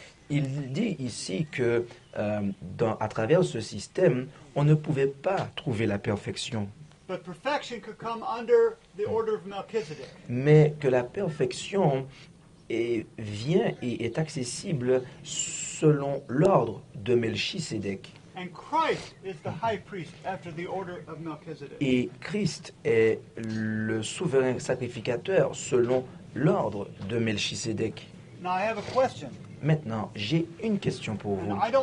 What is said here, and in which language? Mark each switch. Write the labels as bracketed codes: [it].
[fr] Il dit ici que à travers ce système, on ne pouvait pas trouver la perfection. [en] But perfection could come under the order of Melchizedek. [fr] Mais que la perfection vient et est accessible selon l'ordre de Melchisédek. [en] And Christ is the high priest after the order of Melchizedek. [fr] Et Christ est le souverain sacrificateur selon l'ordre de Melchisédek. [en] Now I have a question. [fr] Maintenant, j'ai une question pour vous.